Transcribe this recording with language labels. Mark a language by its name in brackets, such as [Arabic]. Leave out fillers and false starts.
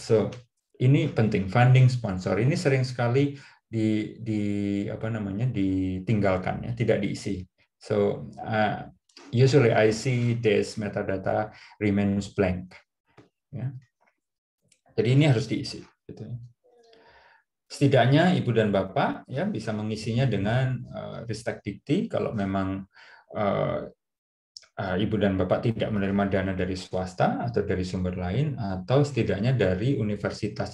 [Indonesian] So ini penting, funding sponsor ini sering sekali ditinggalkan ya, tidak diisi. [English] So usually I see this metadata remains blank. [Indonesian] Ya. Jadi ini harus diisi. Gitu. Setidaknya ibu dan bapak ya bisa mengisinya dengan ristek dikti kalau memang ibu dan bapak tidak menerima dana dari swasta atau dari sumber lain atau setidaknya dari universitas.